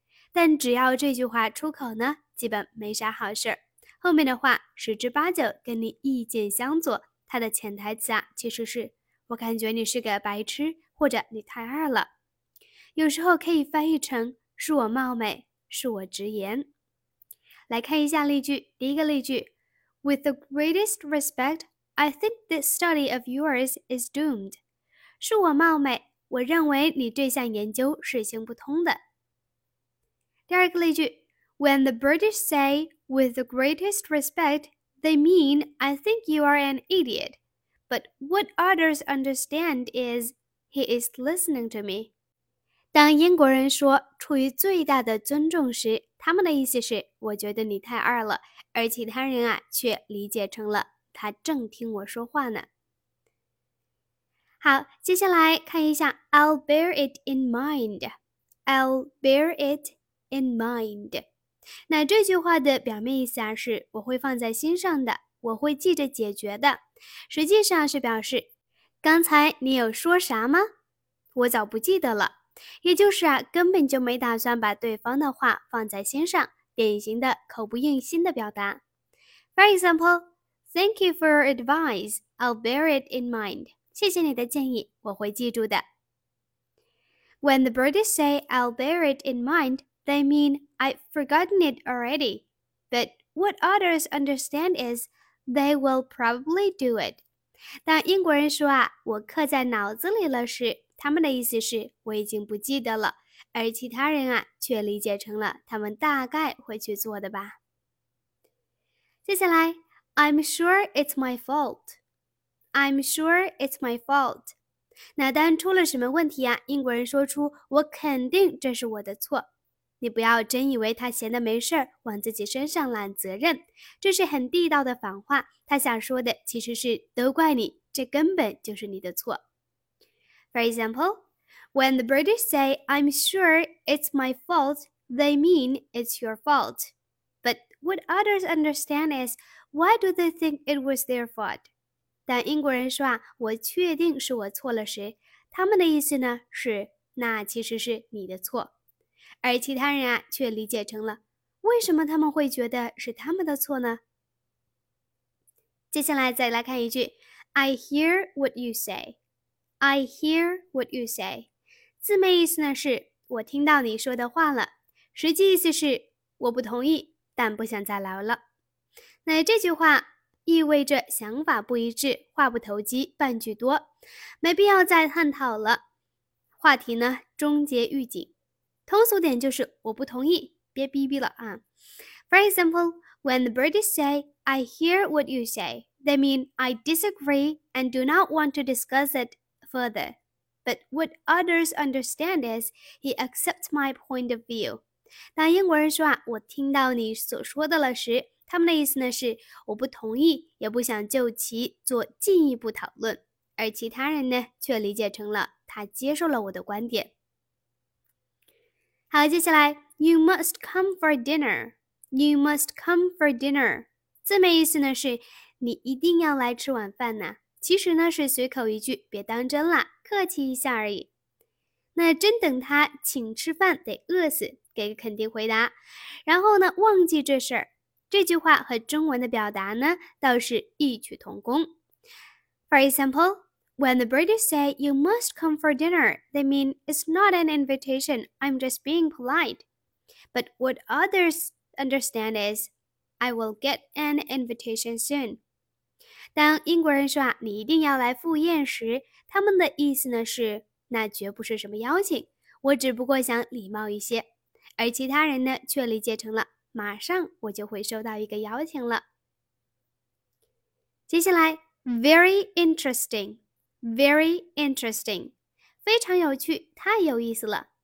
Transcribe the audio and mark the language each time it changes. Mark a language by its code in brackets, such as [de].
[zh] 但只要这句话出口呢，基本没啥好事，后面的话十之八九跟你意见相左，它的潜台词啊其实是我感觉你是个白痴，或者你太二了。有时候可以翻译成是我冒昧，是我直言。来看一下例句。第一个例句， [en] With the greatest respect, I think this study of yours is doomed. [zh] 恕我冒昧，我认为你这项研究是行不通的。 [en] 第二个例句， When the British say, with the greatest respect, they mean, I think you are an idiot. But what others understand is, he is listening to me. [zh] 当英国人说出于最大的尊重时，他们的意思是我觉得你太二了，而其他人啊却理解成了他正听我说话呢。好，接下来看一下 [en] I'll bear it in mind. I'll bear it in mind. [zh] 那这句话的表面意思啊是我会放在心上的，我会记着解决的，实际上是表示刚才你有说啥吗？我早不记得了。也就是啊，根本就没打算把对方的话放在心上，典型的口不应心的表达。 [en] For example, thank you for your advice. I'll bear it in mind. [zh] 谢谢你的建议，我会记住的。 [en] When the British say I'll bear it in mind, they mean I've forgotten it already. But what others understand is they will probably do it. [zh] 当英国人说啊，我刻在脑子里了时，他们的意思是我已经不记得了，而其他人啊却理解成了他们大概会去做的吧。接下来 [en] I'm sure it's my fault. I'm sure it's my fault. [zh] 那当出了什么问题啊，英国人说出我肯定这是我的错。你不要真以为他闲得没事往自己身上揽责任，这是很地道的反话，他想说的其实是都怪你，这根本就是你的错。 [en] For example, when the British say, I'm sure it's my fault, they mean it's your fault. But what others understand is, why do they think it was their fault? [zh] 当英国人说啊，我确定是我错了时，他们的意思呢是，那其实是你的错。而其他人啊，却理解成了，为什么他们会觉得是他们的错呢？接下来再来看一句 [en] I hear what you say. I hear what you say. [zh] 字面意思呢是我听到你说的话了，实际意思是我不同意但不想再聊了。那这句话意味着想法不一致，话不投机半句多，没必要再探讨了，话题呢终结预警。通俗点就是我不同意，别逼逼了啊。 [en] For example, when the British say, I hear what you say, they mean I disagree and do not want to discuss itfurther. But what others understand is, he accepts my point of view. [zh] 当英国人说啊，我听到你所说的了时，他们的意思呢是，我不同意，也不想就其做进一步讨论。而其他人呢，却理解成了，他接受了我的观点。好，接下来 [en] ,You must come for dinner. You must come for dinner. [zh] 字面意思呢是，你一定要来吃晚饭呢。其实呢是随口一句，别当真了，客气一下而已。那真等他请吃饭得饿死，给个肯定回答，然后呢忘记这事儿。这句话和中文的表达呢倒是异曲同工。 [en] For example, when the British say you must come for dinner, they mean it's not an invitation, I'm just being polite. But what others understand is, I will get an invitation soon. [zh] 当英国人说啊，你一定要来赴宴时，他们的意思呢是，那绝不是什么邀请，我只不过想礼貌一些。而其他人呢，却理解成了，马上我就会收到一个邀请了。接下来 ， [en] very interesting， very interesting， [zh] 非常有趣，太有意思了。